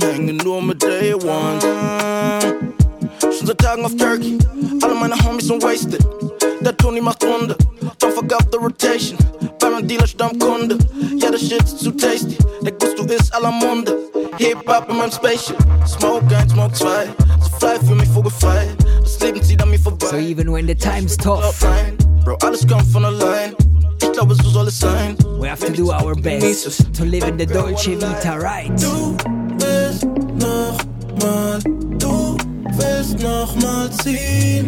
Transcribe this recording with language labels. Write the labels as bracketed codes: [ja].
[de] Hängen nur mit Day One. Schon seit Tagen auf Turkey, alle meine Homies sind wasted. Der Tony macht Runde, [en] don't fuck up the rotation. [de] Bei meinem Dealer Stammkunde, ja, der Shit ist zu tasty. Der Gusto ist aller Munde, Hip-Hop in meinem Spaceship. [en] Smoke 1, Smoke 2, so fly [de] für mich vogelfrei. [en] So even when the time's tough, [de] bro, alles kommt von allein. Ich glaube, so soll es sein. [en] We have to do our best to live in the Dolce Vita, right? [de] Du willst nochmal, du willst nochmal ziehen.